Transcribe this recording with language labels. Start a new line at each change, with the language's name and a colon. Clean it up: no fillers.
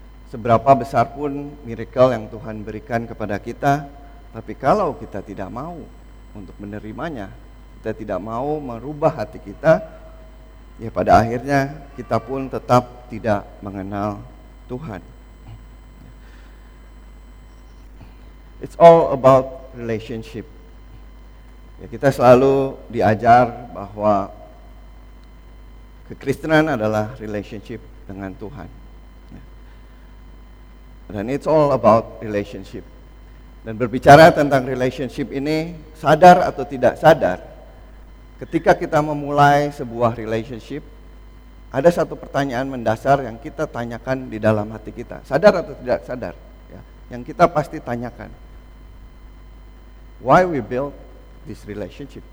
Indonesian: Seberapa besar pun miracle yang Tuhan berikan kepada kita, tapi kalau kita tidak mau untuk menerimanya, kita tidak mau merubah hati kita, ya pada akhirnya kita pun tetap tidak mengenal Tuhan.
English: It's all about relationship.
Indonesian: Ya, kita selalu diajar bahwa kekristenan adalah relationship dengan Tuhan. Dan
English: it's all about relationship.
Indonesian: Dan berbicara tentang relationship ini, sadar atau tidak sadar, ketika kita memulai sebuah relationship, ada satu pertanyaan mendasar yang kita tanyakan di dalam hati kita. Sadar atau tidak sadar, ya, yang kita pasti tanyakan.
English: Why we build this relationship?